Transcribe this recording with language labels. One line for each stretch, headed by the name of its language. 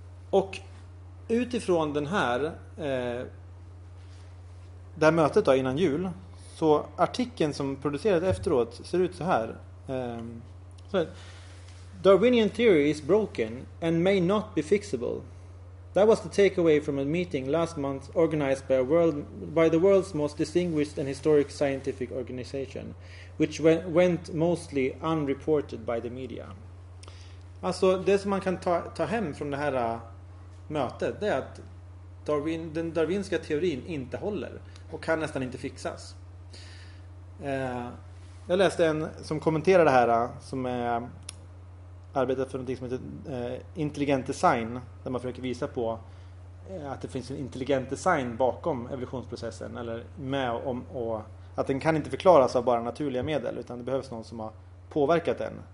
Swedish: Och utifrån den här det här mötet då innan jul, så artikeln som producerades efteråt ser ut så här.
English: Darwinian theory is broken and may not be fixable. That was the takeaway from a meeting last month organized by the world's most distinguished and historic scientific organization, which went mostly unreported by the media.
Swedish: Alltså, det som man kan ta hem från det här mötet, det är att den darwinska teorin inte håller och kan nästan inte fixas. Jag läste en som kommenterade det här, som är arbetat för något som heter intelligent design, där man försöker visa på att det finns en intelligent design bakom evolutionsprocessen, eller med om, och att den kan inte förklaras av bara naturliga medel, utan det behövs någon som har påverkat den.